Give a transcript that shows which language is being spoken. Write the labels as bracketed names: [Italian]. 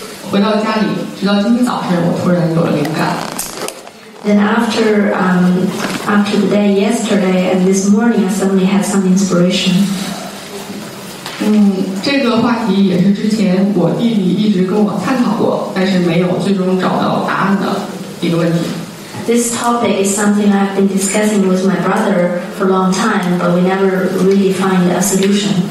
[Chinese] 回到家里，直到今天早晨，我突然有了灵感。 [English] Then after the day yesterday and this morning, I suddenly had some inspiration. [Chinese] 这个话题也是之前我弟弟一直跟我探讨过，但是没有最终找到答案的一个问题。 [English] This topic is something I've been discussing with my brother for a long time, but we never really find a solution.